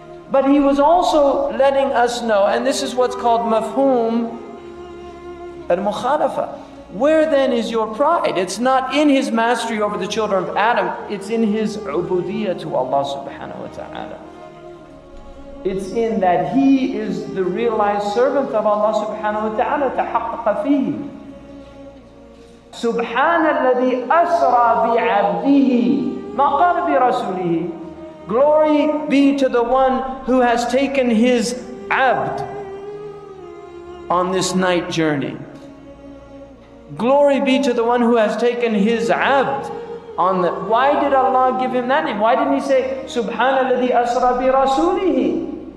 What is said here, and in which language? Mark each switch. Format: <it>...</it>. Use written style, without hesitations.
<en>But he was also letting us know, and this is what's called mafhum al-mukhalafa. Where then is your pride? It's not in his mastery over the children of Adam. It's in his ubudiyah to Allah subhanahu wa ta'ala. It's in that he is the realized servant of Allah subhanahu wa ta'ala.</en> <ar>تحقق فيه. سبحان الذي أسرى بعبده ما قال برسوله.</ar> <en>Glory be to the one who has taken his abd on this night journey. Glory be to the one who has taken his abd on the... Why did Allah give him that name? Why didn't he say,</en> <ar>Subhana alladhi asra bi rasulihi?</ar>